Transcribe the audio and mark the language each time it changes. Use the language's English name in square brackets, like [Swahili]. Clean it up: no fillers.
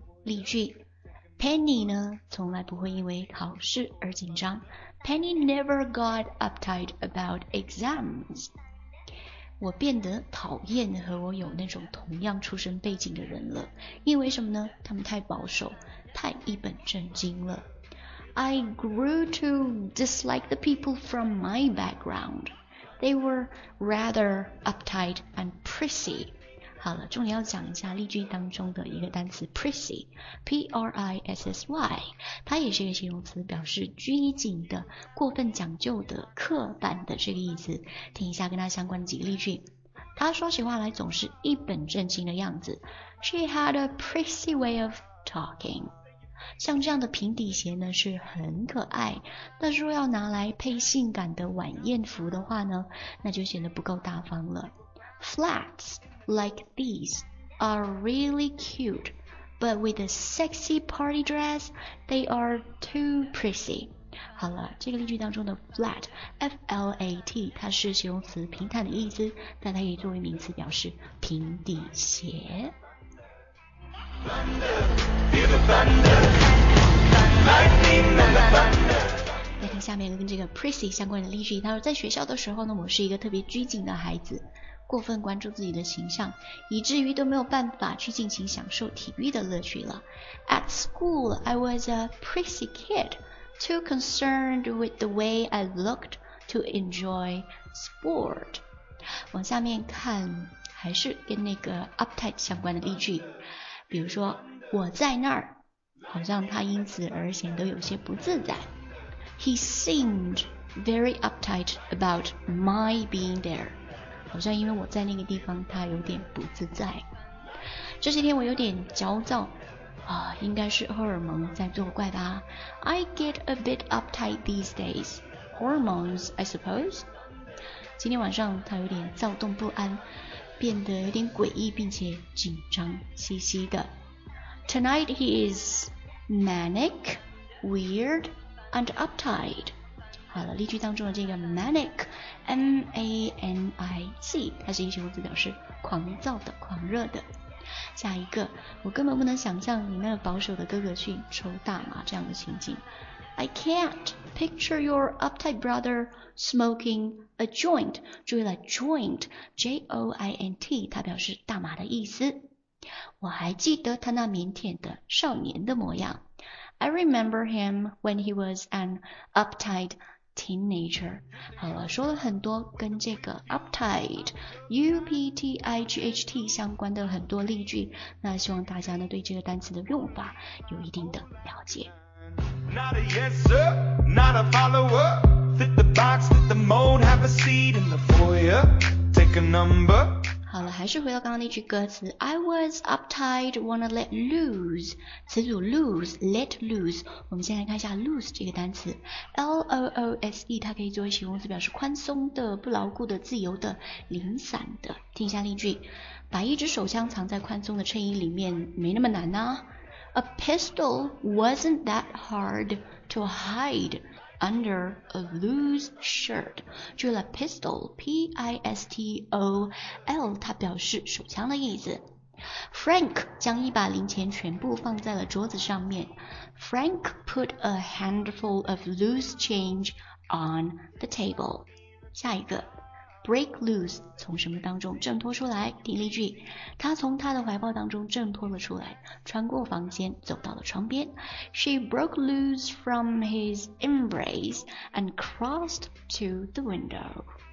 [Chinese] 例句 Penny 呢从来不会因为考试而紧张， [English] Penny never got uptight about exams. [Chinese] 我变得讨厌和我有那种同样出身背景的人了，因为什么呢？他们太保守，太一本正经了。 [English] I grew to dislike the people from my background. They were rather uptight and prissy. [Chinese] 好了，重点要讲一下例句当中的一个单词 prissy, P-R-I-S-S-Y。它也是一个形容词，表示拘谨的、过分讲究的、刻板的这个意思。听一下跟它相关的几个例句。他说起话来总是一本正经的样子。 [English] She had a prissy way of talking. [Chinese] 像这样的平底鞋呢是很可爱，但是若要拿来配性感的晚宴服的话呢，那就显得不够大方了。 [English] Flats like these are really cute.But with a sexy party dress, they are too prissy. [Chinese] 好了，这个例句当中的 flat F-L-A-T 它是形容词平坦的意思，但它也作为名词表示平底鞋。来看下面跟这个 Prissy 相关的例句，他说在学校的时候呢，我是一个特别拘谨的孩子，过分关注自己的形象，以至于都没有办法去尽情享受体育的乐趣了。 [English] At school I was a prissy kid too concerned with the way I looked to enjoy sport。 [Chinese] 往下面看，还是跟那个 uptight 相关的例句，比如说我在那儿好像他因此而显得有些不自在。 [English] He seemed very uptight about my being there. [Chinese] 好像因为我在那个地方他有点不自在。这些天我有点焦躁啊，应该是荷尔蒙在作怪吧。 [English] I get a bit uptight these days. Hormones, I suppose. [Chinese] 今天晚上他有点躁动不安，变得有点诡异并且紧张兮兮的。 [English] Tonight he is manic, weird,and uptight。 [Chinese] 好了，例句当中的这个 manic M-A-N-I-C 它是一形容词表示狂躁的、狂热的。下一个，我根本不能想象你那个保守的哥哥去抽大麻这样的情景。 [English] I can't picture your uptight brother smoking a joint。 [Chinese] 注意了 joint J-O-I-N-T 它表示大麻的意思。我还记得他那腼腆的少年的模样。 [English] I remember him when he was an uptight teenager. [Chinese] 好了，说了很多跟这个 uptight, U-P-T-I-G-H-T 相关的很多例句，那希望大家呢对这个单词的用法有一定的了解。 [English] Not a yes sir, not a follower. Fit the box, fit the mold, have a seat in the foyer. Take a number. [Chinese] 好了，还是回到刚刚那句歌词 [English] I was uptight, wanna let loose。 [Chinese] 词组 loose, let loose。我们先来看一下 loose 这个单词 L-O-O-S-E 它可以作为形容词表示宽松的、不牢固的、自由的、零散的。听一下例句，把一支手枪藏在宽松的衬衣里面没那么难啊。 [English] A pistol wasn't that hard to hideUnder a loose shirt. [Chinese] 注意了 pistol, P-I-S-T-O-L, 它表示手枪的意思。 Frank 将一把零钱全部放在了桌子上面。 [English] Frank put a handful of loose change on the table. [Chinese] 下一个 ,break loose, 从什么当中挣脱出来？第一句，他从他的怀抱当中挣脱了出来，穿过房间走到了窗边。 [English] She broke loose from his embrace and crossed to the window.